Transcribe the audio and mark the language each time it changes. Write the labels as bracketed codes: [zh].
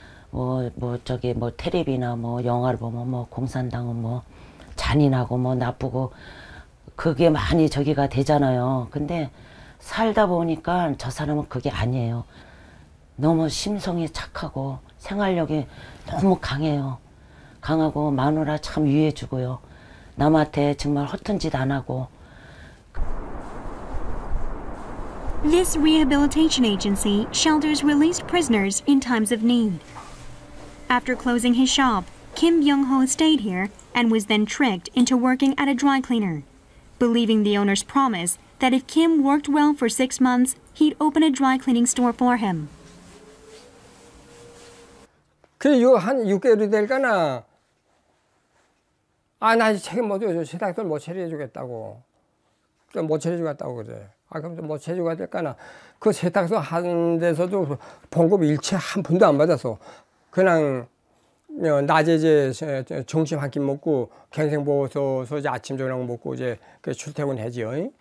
[ko] 뭐 테레비나 뭐 영화를 보면 뭐 공산당은 뭐 잔인하고 뭐 나쁘고 그게 많이 저기가 되잖아요. 근데 살다 보니까 저 사람은 그게 아니에요. 너무 심성이 착하고 생활력이 너무 강해요. 강하고 마누라 참 위해주고요. 남한테 정말 허튼 짓 안 하고. [en] This rehabilitation agency shelters released prisoners in times of need. After closing his shop, Kim Byung-ho stayed here and was then tricked into working at a dry cleaner, believing the owner's promise that if Kim worked well for 6 months, he'd open a dry cleaning store for him. [ko] 그래요, 한 6개월이 될까나? 아, 나 책임 못 줘. 세탁소를 못 처리해 주겠다고. 못 처리해 주겠다고 그래. 아, 그럼 못 처리해 줘야 될까나? 그 세탁소 한 데서도 봉급 일체 한 푼도 안 받아서 그냥 낮에 이제 점심 한 끼 먹고 갱생보호소서 이제 아침 저녁 먹고 이제 그 출퇴근해지요.